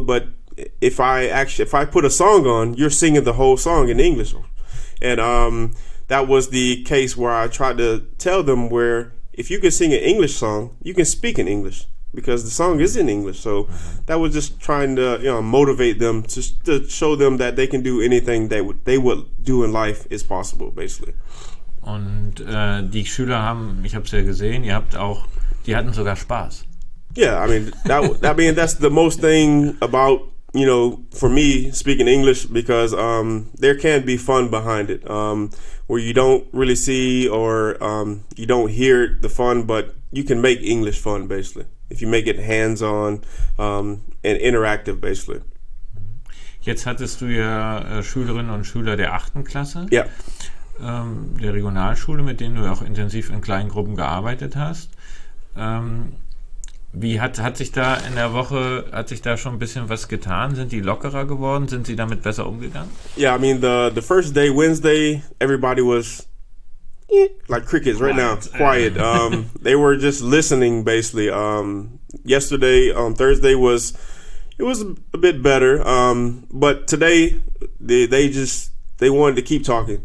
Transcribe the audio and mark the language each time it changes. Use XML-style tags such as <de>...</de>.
<en>But if I put a song on, you're singing the whole song in English, and that was the case where I tried to tell them where if you can sing an English song, you can speak in English. Because the song is in English, so that was just trying to, you know, motivate them to show them that they can do anything that they would do in life is possible, basically.</en> <de>Und die Schüler haben, ich habe es ja gesehen, ihr habt auch, die hatten sogar Spaß.</de> <en>Yeah, I mean, that's the most thing about, you know, for me speaking English, because there can be fun behind it, where you don't really see or you don't hear the fun, but you can make English fun, basically. If you make it hands-on and interactive, basically.</en> <de>Jetzt hattest du ja Schülerinnen und Schüler der 8. Klasse. Ja. Der Regionalschule, mit denen du auch intensiv in kleinen Gruppen gearbeitet hast. Wie hat sich da in der Woche, hat sich da schon ein bisschen was getan? Sind die lockerer geworden? Sind sie damit besser umgegangen?</de> <en>Ja, yeah, I mean, the first day, Wednesday, everybody was like crickets right now, quiet. They were just listening, basically. Yesterday, Thursday, it was a bit better. But today, they wanted to keep talking.</en>